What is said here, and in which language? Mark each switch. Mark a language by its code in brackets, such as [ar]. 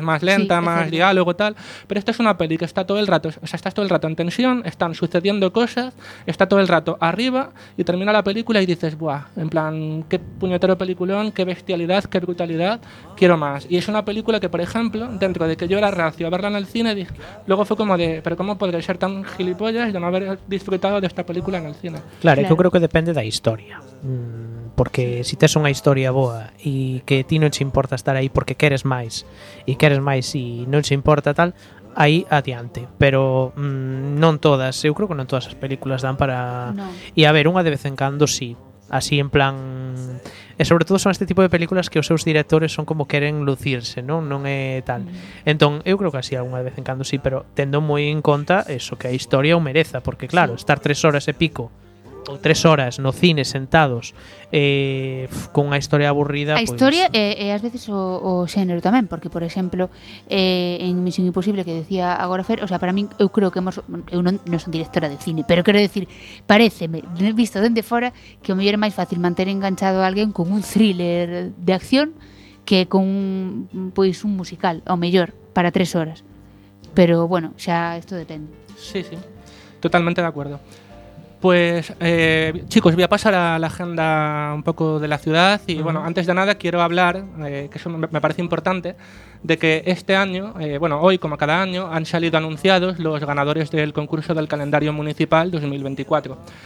[es] Más lenta, sí, más diálogo, tal. Pero esta es una peli que está todo el rato, o sea, estás todo el rato en tensión, están sucediendo cosas, está todo el rato arriba y termina la película y dices, buah, en plan, qué puñetero peliculón, qué bestialidad, qué brutalidad, quiero más. Y es una película que, por ejemplo, dentro de que yo era reacio a verla en el cine, luego fue como de, pero ¿cómo podré ser tan gilipollas de no haber disfrutado de esta película en el cine? Claro, claro. Yo creo que depende de la historia. [gl] Porque si tes unha historia boa e que ti non te importa estar aí porque queres máis e queres máis e non te importa tal, aí adiante. Pero non todas, eu creo que non todas as películas dan para... [es] No. [gl] E a ver, unha de vez en cando sí. Así en plan... E sobre todo son este tipo de películas que os seus directores son como queren lucirse, non? Non é tal. Entón, eu creo que así alguna vez en cando sí, pero tendo moi en conta eso, que a historia o mereza, porque claro, estar 3 horas e pico ou 3 horas no cine sentados con unha historia aburrida... A pois... historia e ás veces o xénero tamén, porque, por exemplo, en Misión Imposible, que decía agora Fer, o sea, para min, eu creo que hemos... Eu non son directora de cine, pero quero decir, pareceme, visto dende fora, que o mellor é máis fácil manter enganchado a alguén con un thriller de acción que con pois, un musical, ao mellor, para 3 horas. Pero, bueno, xa isto depende. [es] Sí, sí, totalmente de acuerdo. Pues, chicos, voy a pasar a la agenda un poco de la ciudad y, bueno, antes de nada quiero hablar, que eso me parece importante, de que este año, bueno, hoy como cada año, han salido anunciados los ganadores del concurso del calendario municipal 2024.